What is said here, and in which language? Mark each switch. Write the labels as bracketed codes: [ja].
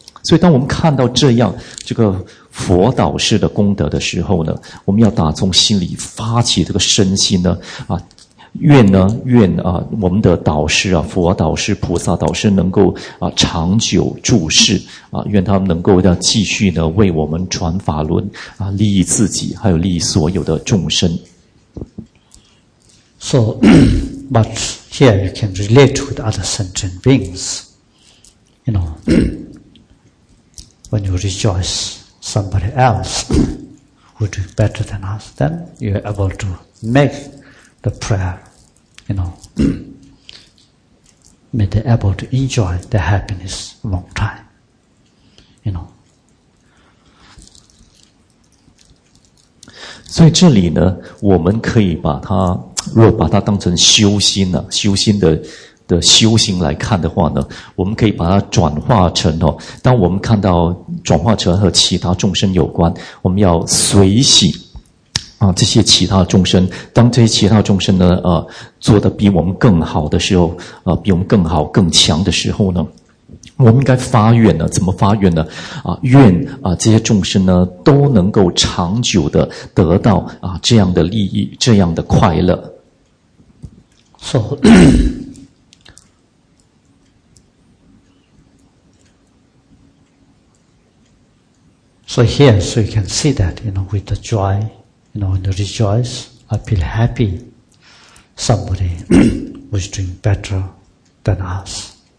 [zh] 所以当我们看到这样这个佛导师的功德的时候呢，我们要打从心里发起这个身心呢啊，愿啊我们的导师啊，佛导师、菩萨导师能够啊长久住世啊，愿他们能够要继续呢为我们传法轮啊，利益自己还有利益所有的众生。 [en] So, but here you can relate with other sentient beings, you know. When you rejoice somebody else who do better than us, then you are able to make the prayer, you know, may they able to enjoy their happiness long time, you know. [zh] 所以这里呢，我们可以把它，若把它当成修心了，修心的修行来看的话呢，我们可以把它转化成哦，当我们看到转化成和其他众生有关，我们要随喜啊，这些其他众生，当这些其他众生呢做得比我们更好的时候比我们更好更强的时候呢，我们应该发愿呢，怎么发愿呢愿这些众生呢都能够长久的得到这样的利益，这样的快乐。 [en] So, So here, so you can see that, you know, with the joy, you know, when you rejoice, I feel happy, somebody who is doing better than us.